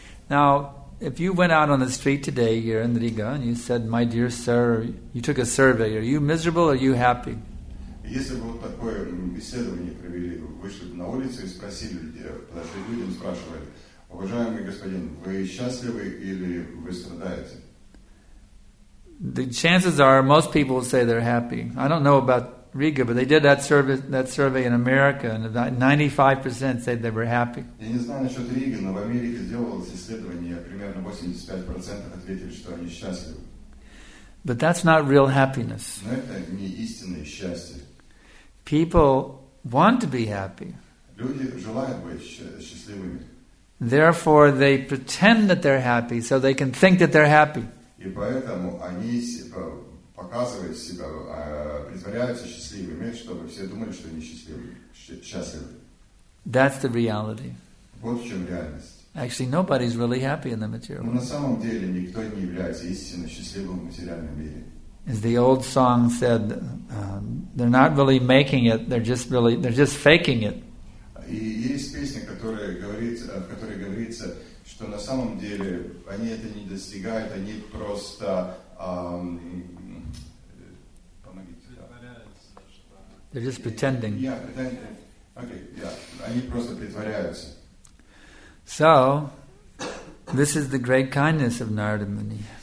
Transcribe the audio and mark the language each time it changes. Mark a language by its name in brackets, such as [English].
[English] Now, if you went out on the street today here in Riga and you said, "My dear sir," you took a survey, are you miserable or are you happy? [Russian] Если бы вот такое беседование провели, вышли бы на улицу и спросили людям, спрашивали, уважаемый господин, вы счастливы или вы страдаете? [English] The chances are most people say they're happy. I don't know about Riga, but they did that survey in America, and about 95% said they were happy. [Russian] Я не знаю насчет Риги, но в Америке делалось исследование, примерно 85% ответили, что они счастливы. [English] But that's not real happiness. [Russian] Но это не истинное счастье. [English] People want to be happy. [Russian] Люди желают быть счастливыми. [English] Therefore, they pretend that they're happy so they can think that they're happy. [Russian] И поэтому они показывают себя, притворяются счастливыми, чтобы все думали, что они счастливы, счастливы. [English] That's the reality. [Russian] Вот в чем реальность. [English] Actually, nobody's really happy in the material world. [Russian] Но на самом деле никто не является истинно счастливым в материальном мире. [English] As the old song said, they're not really making it, they're just faking it. [Russian] И есть песня, которая говорит, в которой говорится, что на самом деле они это не достигают, они просто [English] they're just pretending. [Russian] Yeah, они просто притворяются. [English] So, this is the great kindness of Narada Muni.